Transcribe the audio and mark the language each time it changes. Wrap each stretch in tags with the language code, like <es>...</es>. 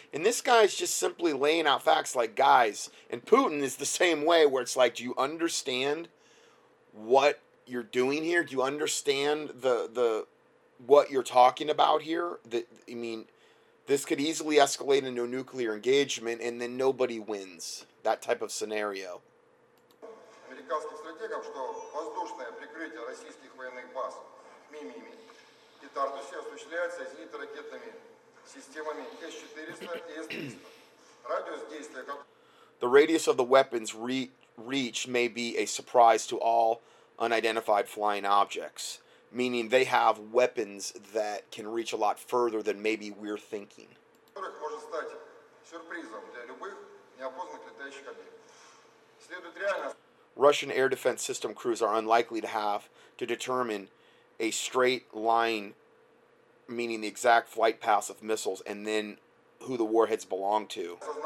<en>And this guy's just simply laying out facts like, guys, and Putin is the same way, where it's like, do you understand what you're doing here? Do you understand the what you're talking about here? That, I mean, this could easily escalate into a nuclear engagement and then nobody wins, that type of scenario.</en> <ru>Американским стратегам, что воздушное прикрытие российских военных баз Мимими и Тартусе осуществляется зенитно-ракетными системами С-400 и С-300. Радиус действия как...</ru> <en>The radius of the weapons reach may be a surprise to all unidentified flying objects, meaning they have weapons that can reach a lot further than maybe we're thinking.</en> <ru>...которых может стать сюрпризом для любых неопознанных летающих объектов. Следует реально...</ru> <en>Russian air defense system crews are unlikely to have to determine a straight line, meaning the exact flight path of missiles, and then who the warheads belong to.</en>